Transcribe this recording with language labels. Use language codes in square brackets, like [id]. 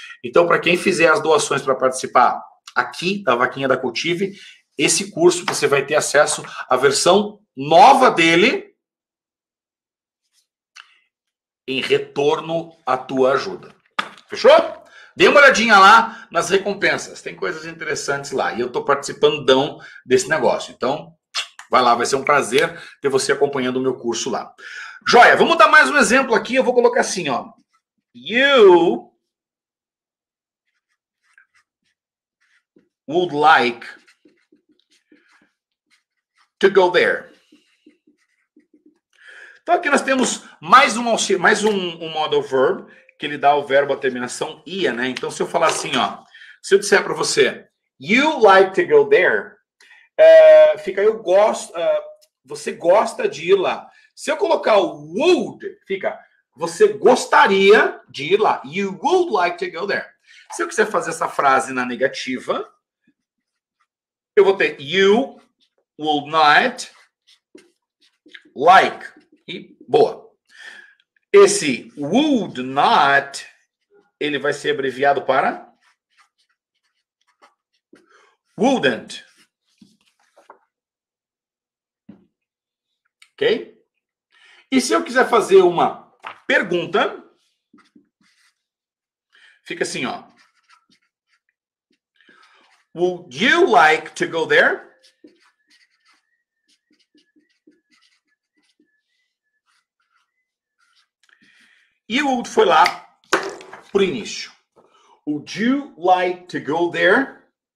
[pt] Então, para quem fizer as doações para participar aqui da vaquinha da Cultive, esse curso você vai ter acesso à versão nova dele em retorno à tua ajuda. Fechou? Dê uma olhadinha lá nas recompensas. Tem coisas interessantes lá. E eu estou participandão desse negócio. Então, vai lá. Vai ser um prazer ter você acompanhando o meu curso lá. Joia, vamos dar mais um exemplo aqui. Eu vou colocar assim, ó. [en] You would like to go there. [pt] Então, aqui nós temos mais um modal verb, que ele dá o verbo à terminação ia, né? Então, se eu falar assim, ó, se eu disser para você, [en] you like to go there, [pt] fica eu gosto, você gosta de ir lá. Se eu colocar o would, fica, você gostaria de ir lá. [en] You would like to go there. [pt] Se eu quiser fazer essa frase na negativa, eu vou ter [en] you would not like. [pt] E boa. Esse would not, ele vai ser abreviado para wouldn't. Ok? E se eu quiser fazer uma pergunta, fica assim, ó. [en] Would you like to go there? [pt] E o would foi lá pro início. [en] Would you like to go there?